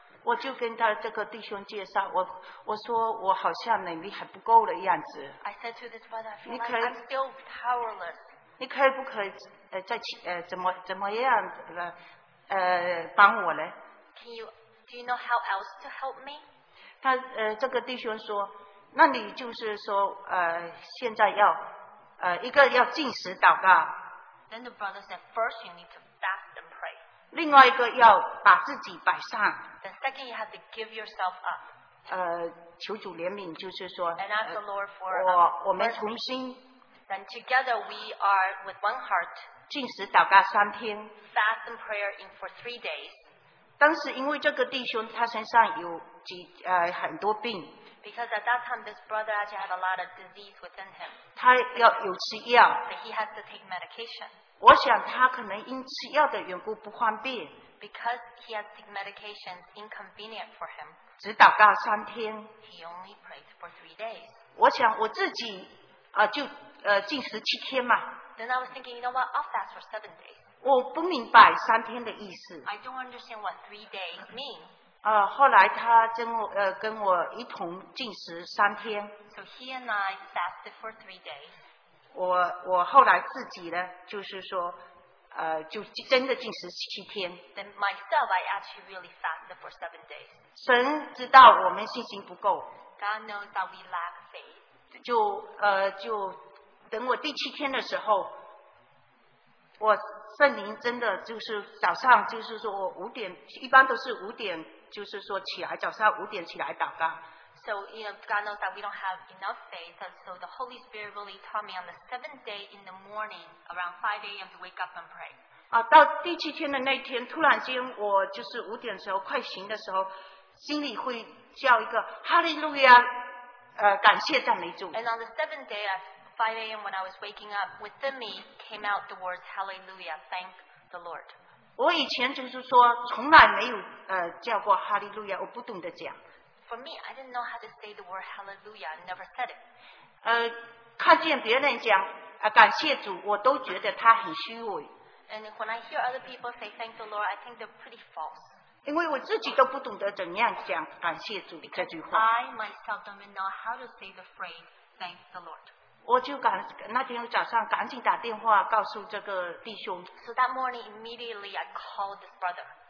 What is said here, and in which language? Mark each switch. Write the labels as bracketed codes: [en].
[zh] 我就跟他这个弟兄介绍，我说我好像能力还不够的样子。 [en] I said to this brother, I feel like I'm still powerless. [zh] 你可以不可以再怎么样的？帮我嘞。 [en] Can you, do you know how else to help me? [zh] 他这个弟兄说，那你就是说现在要一个要禁食祷告。 [en] Then the brother said, first you need to fast and pray. [zh] 另外一个要把自己摆上。 [en] Then second you have to give yourself up. [zh] 求主怜悯，就是说。 [en] And ask the Lord for. [zh] 我们同心。 [en] Then together we are with one heart. [zh] 禁食祷告三天。 [en] Fast and prayer in for three days. [zh] 当时因为这个弟兄他身上有很多病。 [en] Because at that time this brother actually had a lot of disease within him. [zh] 他要有吃药。 [en] But he has to take medication. [zh] 我想他可能因吃药的缘故不方便。 [en] Because he has to take medication, it's inconvenient for him. [zh] 只祷告三天。 [en] He only prayed for three days. [zh] 我想我自己就禁食七天嘛。 [en] Then I was thinking, you know what? I'll fast for seven days. [zh] 我不明白三天的意思。 [en] I don't understand what three days mean. [zh] 后来他跟我一同进食三天。 [en] So he and I fasted for three days. [zh] 我后来自己呢，就是说，就真的进食七天。 [en] Then myself, I actually really fasted for seven days. [zh] 神知道我们信心不够。 [en] God knows that we lack faith. [zh] 就。等我第七天的时候，我圣灵真的就是早上，就是说我五点，一般都是五点，就是说起来，早上五点起来祷告。 [en] So you know, God knows that we don't have enough faith. So the Holy Spirit really taught me on the seventh day in the morning, around 5 a.m. to wake up and pray. [zh] 到第七天的那天，突然间我就是五点的时候快醒的时候，心里会叫一个哈利路亚，感谢赞美主。 [en] And on the seventh day, at 5 a.m. when I was waking up, within me came out the words Hallelujah, thank the Lord. [zh] 我以前就是说从来没有叫过 Hallelujah, 我不懂得讲。 [en] For me, I didn't know how to say the word Hallelujah, I never said it. [zh] 看见别人讲感谢主，我都觉得他很虚伪。 [en] And when I hear other people say thank the Lord, I think they're pretty false. [zh] 因为我自己都不懂得怎样讲感谢主这句话。 [en] I myself don't even know how to say the phrase thank the Lord. [zh] 我就赶那天早上赶紧打电话告诉这个弟兄。 [en] So that morning immediately I called this brother.